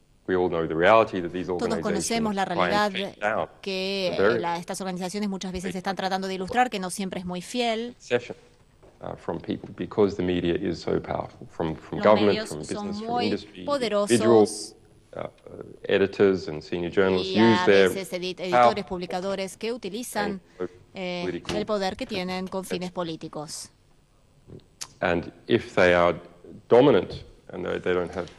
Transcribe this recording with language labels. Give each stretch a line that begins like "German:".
Spanish: Todos conocemos la realidad que estas organizaciones muchas veces están tratando de ilustrar, que no siempre es muy fiel.
English: From people, because the media is so powerful, from government, from business, from industry, individual editors and senior journalists use their
Spanish: editores, publicadores que utilizan el poder que tienen con fines políticos.
English: And if they are dominant and they don't have